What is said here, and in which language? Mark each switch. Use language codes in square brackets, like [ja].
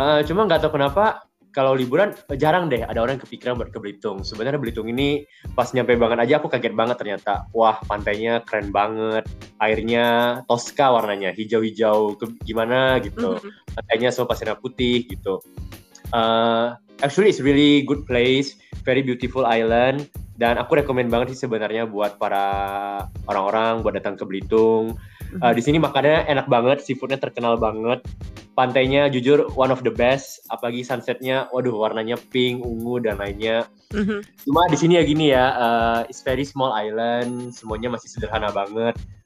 [id] Cuma nggak tahu kenapa, kalau liburan jarang deh ada orang kepikiran buat ke Belitung. Sebenarnya Belitung ini pas nyampe banget aja aku kaget banget ternyata. Wah, pantainya keren banget. Airnya toska warnanya, hijau-hijau gimana gitu. Pantainya semua pasirnya putih gitu. [en] Actually it's really good place, very beautiful island. [id] Dan aku rekomend banget sih sebenarnya buat para orang-orang buat datang ke Belitung. Di sini makannya enak banget, seafoodnya terkenal banget. Pantainya jujur [en] one of the best, [id] apalagi sunsetnya, waduh warnanya pink, ungu dan lainnya. Cuma di sini ya gini ya, [en] it's very small island, [id] semuanya masih sederhana banget.